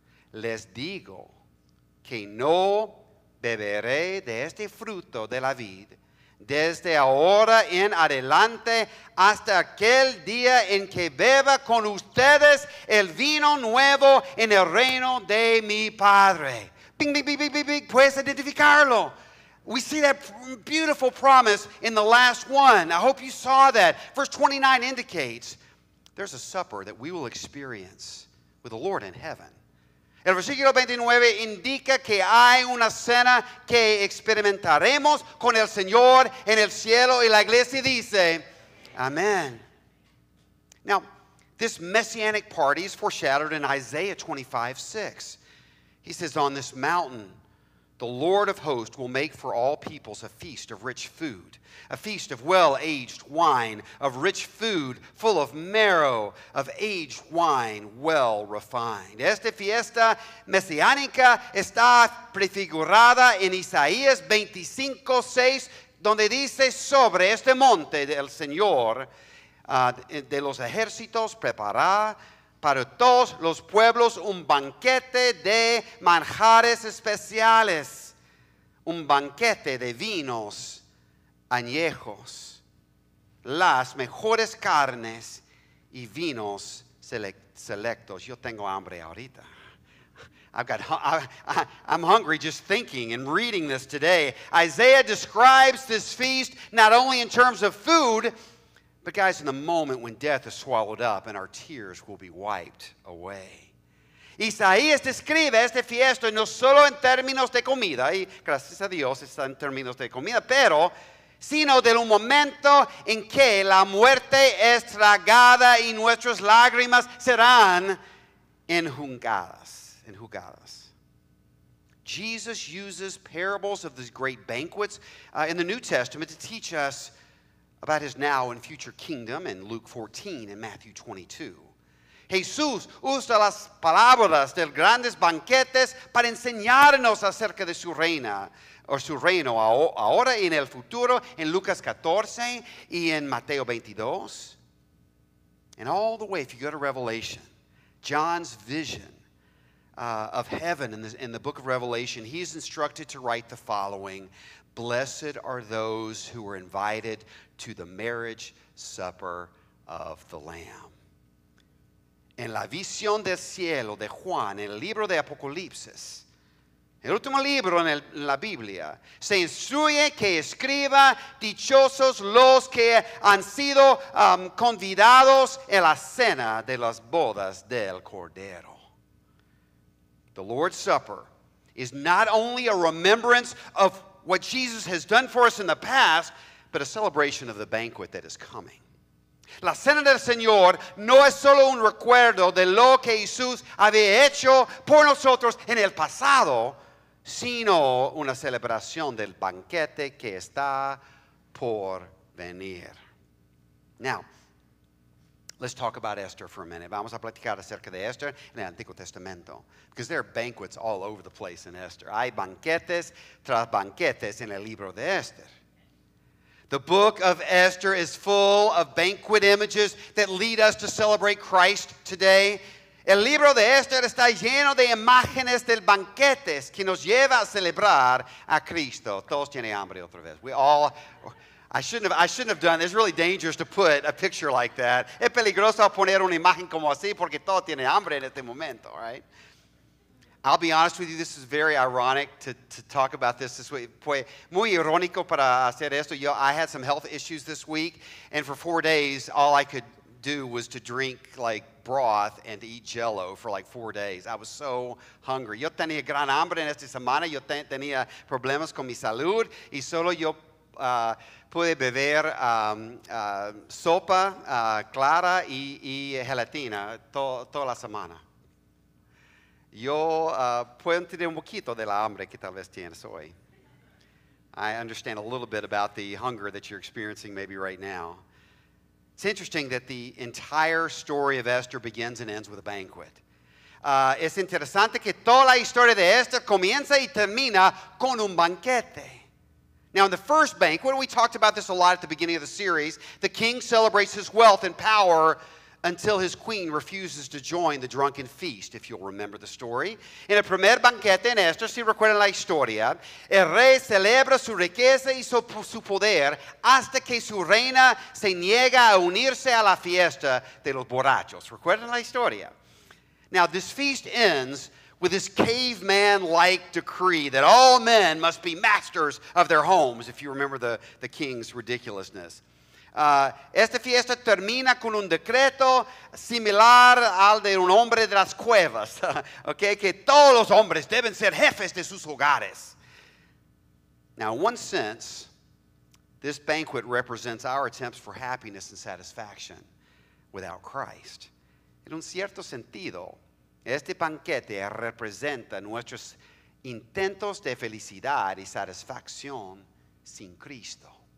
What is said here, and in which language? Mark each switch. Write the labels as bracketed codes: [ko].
[es] Les digo que no beberé de este fruto de la vid desde ahora en adelante hasta aquel día en que beba con ustedes el vino nuevo en el reino de mi Padre. Bing, bing, bing, bing, bing, bing. Puedes identificarlo. [en] We see that beautiful promise in the last one. I hope you saw that. Verse 29 indicates there's a supper that we will experience with the Lord in heaven. [es] El versículo 29 indica que hay una cena que experimentaremos con el Señor en el cielo, y la iglesia dice, amén. [en] Now, this messianic party is foreshadowed in Isaiah 25:6. He says, on this mountain, the Lord of hosts will make for all peoples a feast of rich food, a feast of well-aged wine, of rich food full of marrow, of aged wine well refined. [es] Esta fiesta mesiánica está prefigurada en Isaías 25:6, donde dice, sobre este monte del Señor, de los ejércitos prepara para todos los pueblos un banquete de manjares especiales, un banquete de vinos añejos, las mejores carnes y vinos selectos. Yo tengo hambre ahorita. [en] I'm hungry just thinking and reading this today. Isaiah describes this feast not only in terms of food, but guys, in the moment when death is swallowed up and our tears will be wiped away. [es] Isaías describe esta fiesta no solo en términos de comida, y gracias a Dios está en términos de comida, pero sino del momento en que la muerte es tragada y nuestras lágrimas serán enjugadas. [en] Jesus uses parables of these great banquets in the New Testament to teach us about his now and future kingdom in Luke 14 and Matthew 22. [es] Jesús usa las parábolas de grandes banquetes para enseñarnos acerca de su reina o su reino ahora y en el futuro en Lucas 14 y en Mateo 22. [en] And all the way, if you go to Revelation, John's vision of heaven in the book of Revelation, he is instructed to write the following: blessed are those who are invited to the marriage supper of the Lamb. [es] En la visión del cielo de Juan, en el libro de Apocalipsis, el último libro en la Biblia, se instruye que escriba: dichosos los que han sido convidados en la cena de las bodas del Cordero. [en] The Lord's Supper is not only a remembrance of what Jesus has done for us in the past, but a celebration of the banquet that is coming. [es] La cena del Señor no es solo un recuerdo de lo que Jesús había hecho por nosotros en el pasado, sino una celebración del banquete que está por venir. [en] Now, let's talk about Esther for a minute. [es] Vamos a platicar acerca de Esther en el Antiguo Testamento. [en] Because there are banquets all over the place in Esther. [es] Hay banquetes tras banquetes en el libro de Esther. [en] The book of Esther is full of banquet images that lead us to celebrate Christ today. [es] El libro de Esther está lleno de imágenes del banquetes que nos lleva a celebrar a Cristo. Todos tienen hambre otra vez. [en] I shouldn't have done. It's really dangerous to put a picture like that. [es] Es peligroso poner una imagen como así porque todo tiene hambre en este momento, right? [en] I'll be honest with you. This is very ironic to talk about this way. [es] Fue muy irónico para hacer esto. [en] Yo, I had some health issues this week, and for 4 days, all I could do was to drink like broth and to eat Jell-O for like 4 days. I was so hungry. [es] Yo tenía gran hambre en esta semana. Yo tenía problemas con mi salud, y solo yo pude beber sopa clara y gelatina toda la semana. Yo puedo tener un poquito de la hambre que tal vez tienes hoy. [en] I understand a little bit about the hunger that you're experiencing maybe right now. It's interesting that the entire story of Esther begins and ends with a banquet. [es] Es interesante que toda la historia de Esther comienza y termina con un banquete. [en] Now, in the first banquet, we talked about this a lot at the beginning of the series, the king celebrates his wealth and power until his queen refuses to join the drunken feast, if you'll remember the story. [es] En el primer banquete en Esther, si recuerdan la historia, el rey celebra su riqueza y su poder hasta que su reina se niega a unirse a la fiesta de los borrachos. Recuerden la historia. [en] Now, this feast ends with this caveman-like decree that all men must be masters of their homes, if you remember the king's ridiculousness. [es] Esta fiesta termina con un decreto similar al de un hombre de las cuevas, okay, que todos los hombres deben ser jefes de sus hogares. [en] Now, in one sense, this banquet represents our attempts for happiness and satisfaction without Christ. [es] En un cierto sentido, este banquete representa nuestros intentos de felicidad y satisfacción sin Cristo.